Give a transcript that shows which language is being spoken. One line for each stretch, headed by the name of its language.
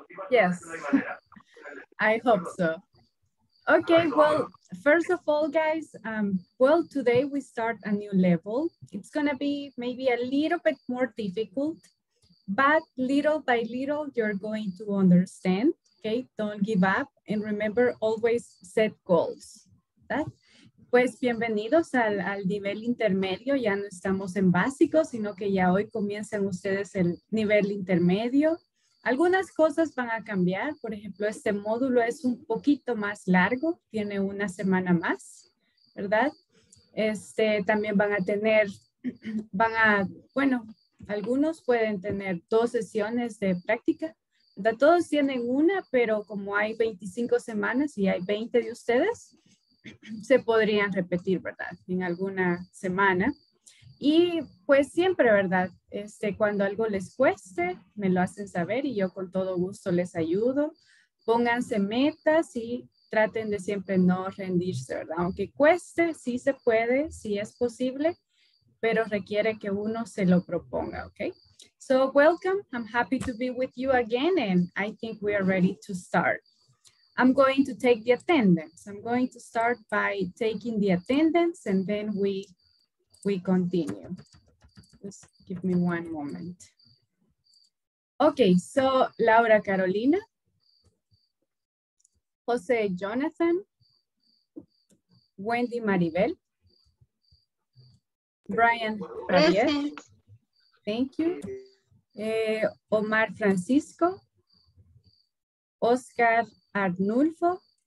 English: Yes, I hope so. Okay, well, first of all, guys, well, today we start a new level. It's gonna be maybe a little bit more difficult, but little by little, you're going to understand, okay? Don't give up and remember, always set goals.
Spanish: ¿Verdad? Pues bienvenidos al nivel intermedio. Ya no estamos en básico, sino que ya hoy comienzan ustedes el nivel intermedio. Algunas cosas van a cambiar, por ejemplo, este módulo es un poquito más largo, tiene una semana más, ¿verdad? También van a tener, bueno, algunos pueden tener dos sesiones de práctica, ¿verdad? Todos tienen una, pero como hay 25 semanas y hay 20 de ustedes, se podrían repetir, ¿verdad? En alguna semana. Y pues siempre, ¿verdad? Cuando algo les cueste, me lo hacen saber y yo con todo gusto les ayudo. Pónganse metas y traten de siempre no rendirse, ¿verdad? Aunque cueste, sí se puede, sí es posible, pero requiere que uno se lo proponga, ¿ok?
English: So, welcome. I'm happy to be with you again and I think we are ready to start. I'm going to take the attendance. I'm going to start by taking the attendance and then we continue. Just give me one moment. Okay, so Laura Carolina, Jose Jonathan, Wendy Maribel, Brian Javier, thank you, Omar Francisco, Oscar Arnulfo.